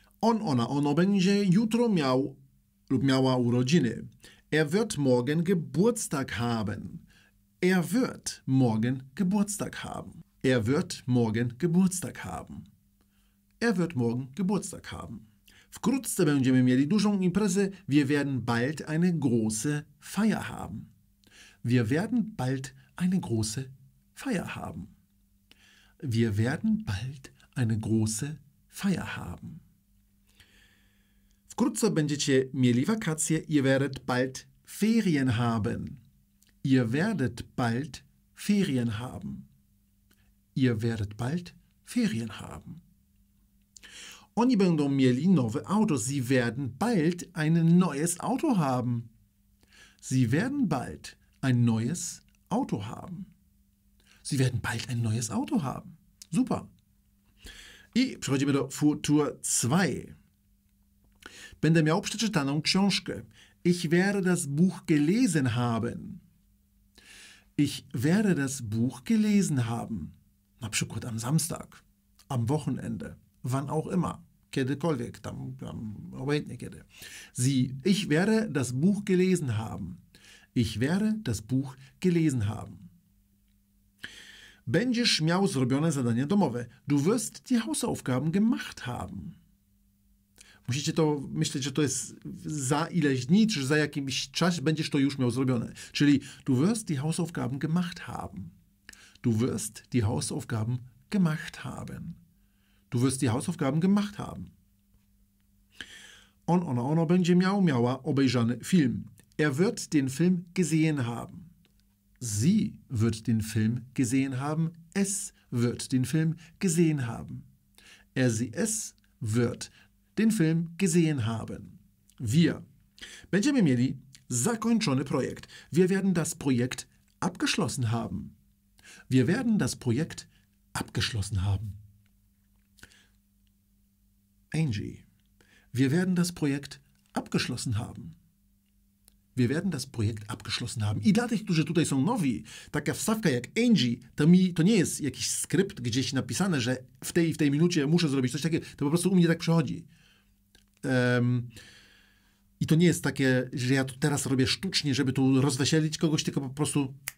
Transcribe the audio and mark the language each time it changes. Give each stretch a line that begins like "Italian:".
Polish: On, ona, ono będzie jutro miał lub miała urodziny.
German: Er wird morgen Geburtstag haben. Er wird morgen Geburtstag haben. Er wird morgen Geburtstag haben. Er wird morgen Geburtstag haben.
Polish: Wkrótce będziemy mieli dużą imprezę.
German: Wir werden bald eine große Feier haben. Wir werden bald eine große Feier haben. Wir werden bald eine große Feier haben.
Polish: Wkrótce będziecie mieli Wakacje.
German: Ihr werdet bald Ferien haben. Ihr werdet bald Ferien haben. Ihr werdet bald Ferien haben.
Polish: Oni będą mieli nowe Auto.
German: Sie werden bald ein neues Auto haben. Sie werden bald ein neues Auto haben. Sie werden bald ein neues Auto haben. Super.
Polish: I przechodzimy do Futur 2. Będę miał przeczytaną książkę.
German: Ich werde das Buch gelesen haben. Ich werde das Buch gelesen haben.
Polish: Na przykład
German: am Samstag, am Wochenende, wann auch immer,
Polish: kiedykolwiek, tam obojętnie kiedy.
German: Sie, ich werde das Buch gelesen haben. Ich werde das Buch gelesen haben.
Polish: Będziesz miał zrobione zadanie domowe.
German: Du wirst die Hausaufgaben gemacht haben.
Polish: Musicie to myśleć, że to jest za ileś dni, czy za jakimś czas będziesz to już miał zrobione.
German: Czyli du wirst die Hausaufgaben gemacht haben. Du wirst die Hausaufgaben gemacht haben. Du wirst die Hausaufgaben gemacht haben.
Polish: On, ona, ono będzie miał, miała obejrzany film.
German: Er wird den Film gesehen haben. Sie wird den Film gesehen haben. Es wird den Film gesehen haben. Er, sie, es wird den Film gesehen haben. Wir.
Polish: Będziemy mieli zakończony projekt.
German: Wir werden das Projekt abgeschlossen haben. Wir werden das Projekt abgeschlossen haben. Angie. Wir werden das Projekt abgeschlossen haben. Wir werden das Projekt abgeschlossen haben.
Polish: I dla tych, którzy tutaj są nowi, taka wstawka jak Angie, to nie jest jakiś skrypt gdzieś napisane, że w tej minucie muszę zrobić coś takiego. To po prostu u mnie tak przychodzi. I to nie jest takie, że ja to teraz robię sztucznie, żeby tu rozweselić kogoś, tylko po prostu...